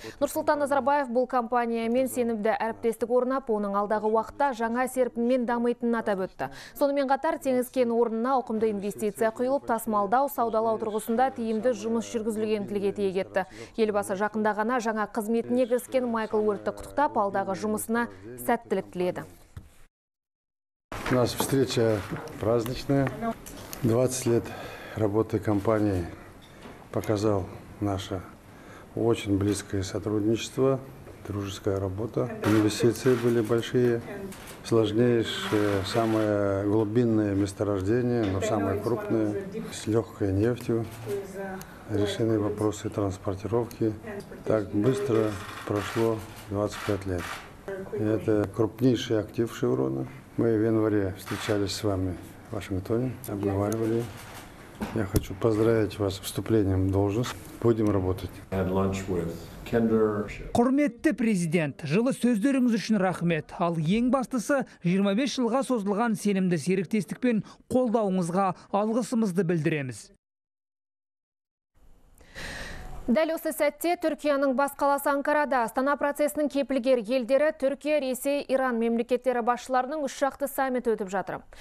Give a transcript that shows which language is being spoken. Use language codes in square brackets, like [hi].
[kk] Нұрсұлтан Назарбаев бұл компаниямен сенімді әріптестік орнап, оның алдағы уақытта жаңа серпінмен дамитынын атап өтті. Сонымен қатар теңіз кен орнына ауқымды инвестиция құйылып, тасымалдау, саудалау тұрғысында тиімді жұмыс жүргізілгенін тілге тиек етті. Елбасы жақында ғана жаңа қызметіне кіріскен Майкл Уортты құттықтап, алдағы жұмысына сәттілік тіледі. [ru] У нас встреча праздничная. 20 лет работы компании показал наше очень близкое сотрудничество, дружеская работа. Инвестиции были большие. Сложнейшие, самые глубинные месторождения, но самые крупные, с легкой нефтью. Решены вопросы транспортировки. Так быстро прошло 25 лет. Это крупнейший актив «Шеврона». Мы в январе встречались с вами в Вашингтоне, обговаривали. Я хочу поздравить вас с вступлением в должность. Будем работать. [kk] Құрметті президент, жылы сөздеріңіз үшін рахмет. Ал ең бастысы, 25 жылға созылған сенімді серіктестікпен қолдауыңызға алғысымызды білдіреміз. Дәл осы сәтте Түркияның бас қаласы Анкарада Астана процесінің кепілгер елдері Түркия, Ресей, Иран мемлекеттері басшыларының үшжақты саммиті өтіп жатыр.